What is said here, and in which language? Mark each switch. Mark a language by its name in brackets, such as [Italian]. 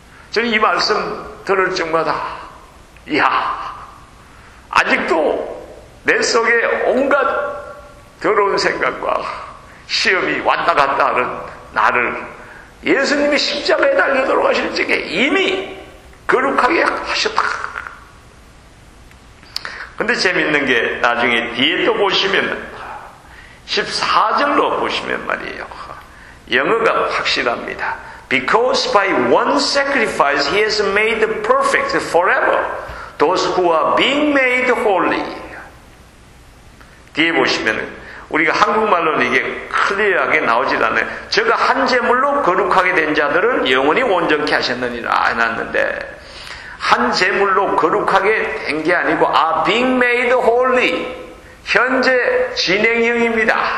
[Korean] 저는 이 말씀 들을 때마다 이야 아직도 내 속에 온갖 더러운 생각과 시험이 왔다 갔다 하는 나를 예수님이 십자가에 달려 돌아가실 적에 이미 거룩하게 하셨다. 근데 재밌는 게 나중에 뒤에 또 보시면 14절로 보시면 말이에요. 영어가 확실합니다. [English] Because by one sacrifice he has made perfect forever those who are being made holy. [Korean] 뒤에 보시면 우리가 한국말로는 이게 클리어하게 나오질 않아요. 저가 한 제물로 거룩하게 된 자들은 영원히 온전케 하셨느니라 해놨는데 한 제물로 거룩하게 된 게 아니고 아 [English] being made holy [Korean] 현재 진행형입니다.